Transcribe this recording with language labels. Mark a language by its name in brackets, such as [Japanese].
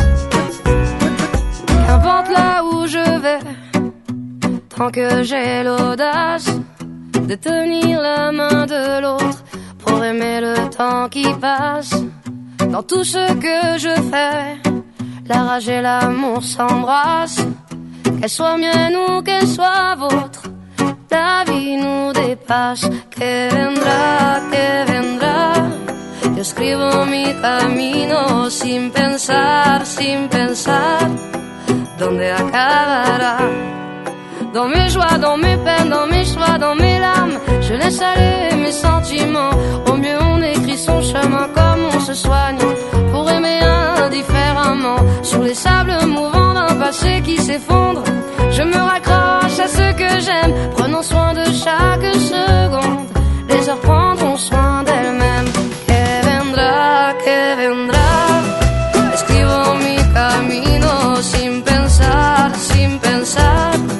[French] Qu'importe là où je vais, tant que j'ai l'audace de tenir la main de l'autre pour aimer le temps qui passe dans tout ce que je fais. La rage et l'amour s'embrassent, qu'elle soit mienne ou qu'elle soit vôtre, la vie nous dépasse. [Spanish] Que vendrá, que vendrá, yo escribo mi camino sin pensar, sin pensar, dónde acabará. [French] Dans mes joies, dans mes peines, dans mes choix, dans mes larmes, je laisse aller mes sentiments. Au mieux on écrit son chemin comme on se soigne, pour aimer indifféremment. Sur les sables mouvants d'un passé qui s'effondre, je me raccroche à ce que j'aime. Prenons soin de chaque seconde, les heures prendront soin d'elles-mêmes. [Spanish] Que vendrá, que vendrá, escribo mi camino sin pensar, sin pensar.